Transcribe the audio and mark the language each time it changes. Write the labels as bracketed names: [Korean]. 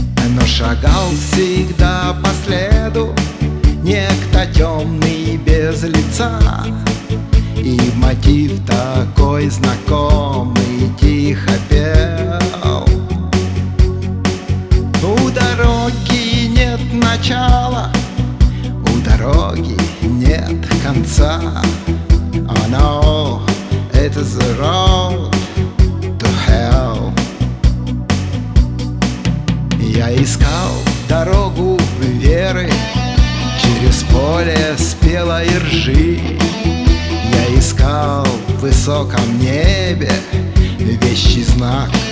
[Russian] Но шагал всегда по следу некто темный без лица, и мотив такой знакомый тихо пел. У дороги нет начала, у дороги нет конца. [English] Oh no, it's the road to hell. [Russian] Я искал дорогу веры через поле спелой ржи. Я искал в высоком небе вещий знак.